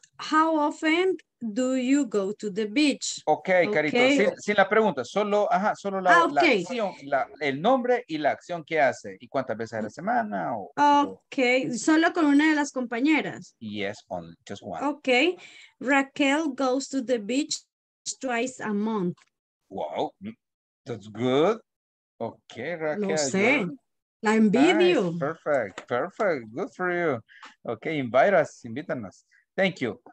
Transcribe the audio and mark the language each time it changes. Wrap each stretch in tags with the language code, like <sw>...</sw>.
<en>How often do you go to the beach?</en> <es>Okay, Carito, okay. Sin la pregunta, solo, ajá, solo la, okay. La acción, el nombre y la acción que hace, y cuántas veces a la semana. O, okay, o... solo con una de las compañeras.</es> <en>Yes, only just one. Okay, Raquel goes to the beach twice a month. Wow, that's good. Okay, Raquel.</en> <es>Lo sé, la envidio.</es> <en>Nice. Perfect, perfect, good for you. Okay, invite us,</en> <es>invítanos.</es> <en>Thank you.</en>